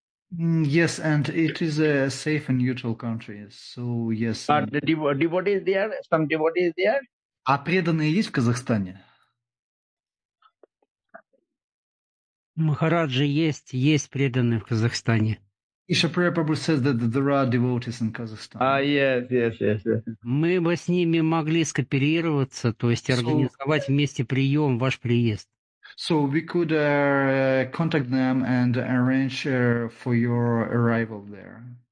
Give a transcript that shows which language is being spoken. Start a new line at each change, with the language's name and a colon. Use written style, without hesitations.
English: yes, and it is a safe and neutral country, so yes. But the devotees there, some devotees there?
Russian: А преданные есть в Казахстане? Махараджи есть преданные в Казахстане.
English: Isha Prabhu says that there are devotees in Kazakhstan. Yes.
Russian: Мы бы с ними могли скооперироваться, то есть организовать вместе прием, ваш приезд.
English: So we could contact them and arrange for your arrival there.